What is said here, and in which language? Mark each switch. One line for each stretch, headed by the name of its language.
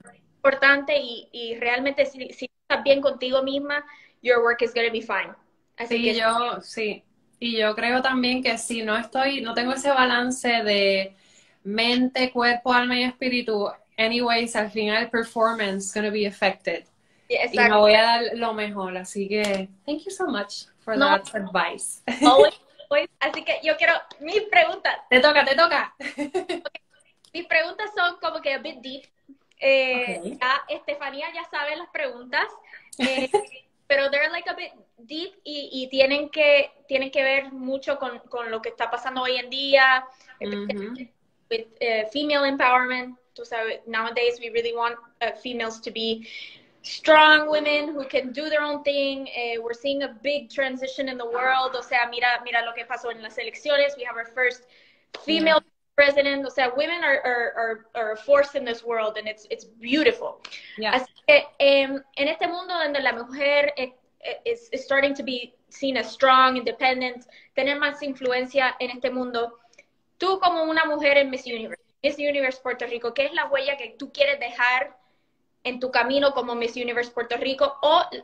Spanish: Es importante, y realmente si estás bien contigo misma,
English: your work is going to be fine.
Spanish: Así sí, que yo sí. Y yo creo también que si no estoy, no tengo ese balance de mente, cuerpo, alma y espíritu, anyways, al final
English: performance is going to be affected. Yeah,
Spanish: y me voy a dar lo mejor. Así que
English: thank you so much for that advice.
Spanish: Así que yo quiero mis preguntas. Te toca. Okay. Mis preguntas son como que
English: a bit deep.
Spanish: Ya Estefanía ya sabe las preguntas, pero
English: they're like a bit deep
Spanish: y tienen que ver mucho con lo que está pasando hoy en día.
English: With female empowerment,
Spanish: tú sabes,
English: nowadays we really want females to be strong women who can do their own thing. We're seeing a big transition in the world.
Spanish: O sea, mira lo que pasó en las elecciones.
English: We have our first female president.
Spanish: O sea,
English: women are a force in this world, and it's beautiful. Yeah.
Spanish: Así que en este mundo donde la mujer
English: is starting to be seen as strong, independent,
Spanish: tener más influencia en este mundo, tú como una mujer en Miss Universe Puerto Rico, ¿qué es la huella que tú quieres dejar en tu camino como Miss Universe Puerto Rico, o